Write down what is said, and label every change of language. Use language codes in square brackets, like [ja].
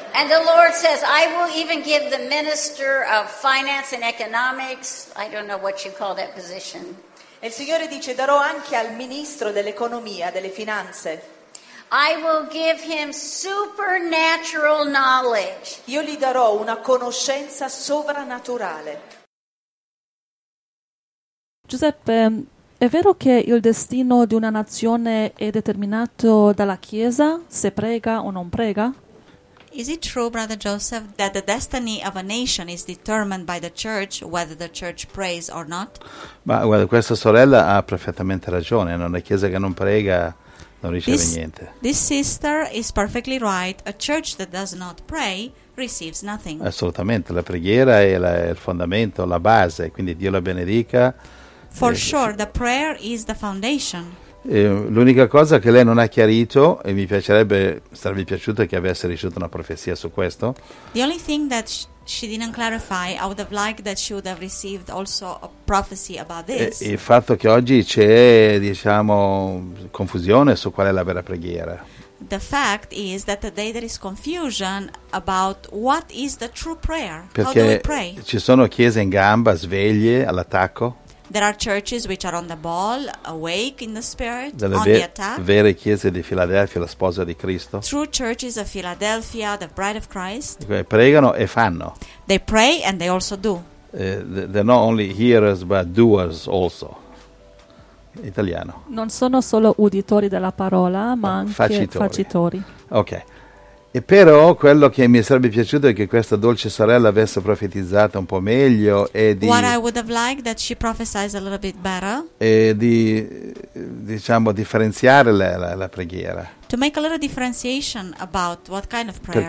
[en] And the Lord says, I will even give the minister of finance and economics, I don't know what you call that position. [it] E il Signore dice, darò anche al ministro dell'economia, delle finanze. [en] I will give him supernatural knowledge. [it] Io gli darò una conoscenza sovrannaturale. Giuseppe, è vero che il destino di una nazione è determinato dalla Chiesa, se prega o non prega? [en] Is it true, Brother Joseph, that the destiny of a nation is determined by the church, whether the church prays or not? [it] Ma guarda, questa sorella ha perfettamente ragione. Non è Chiesa che non prega. Non riceve niente. [en] This sister is perfectly right. A church that does not pray receives nothing. [it] Assolutamente, la preghiera è il fondamento, la base, quindi Dio la benedica. [en] For sure, the prayer is the foundation. [it] L'unica cosa che lei non ha chiarito, e mi piacerebbe, sarebbe piaciuto che avesse ricevuto una profezia su questo. [en] The only thing that she didn't clarify, I would have liked that she would have received also a prophecy about this. [it] Il fatto che oggi c'è, diciamo, confusione su qual è la vera preghiera. [en] The fact is that today there is confusion about what is the true prayer. [it] Perché [en] how do we pray? [it] Ci sono chiese in gamba, sveglie, all'attacco. [en] There are churches which are on the ball, awake in the spirit, [it] delle [en] on the attack. [it] Vere chiese di Filadelfia, la sposa di Cristo. [en] True churches of Philadelphia, the bride of Christ. [it] Pregano e fanno. [en] They pray and they also do. They're not only hearers but doers also. Italiano. [it] Non sono solo uditori della parola, ma anche facitori. Ok. E però quello che mi sarebbe piaciuto è che questa dolce sorella avesse profetizzato un po' meglio e di [en] what I would have liked that she prophesized a little bit better [it] e di, diciamo, differenziare la preghiera. [en] To make a little differentiation about what kind of prayer.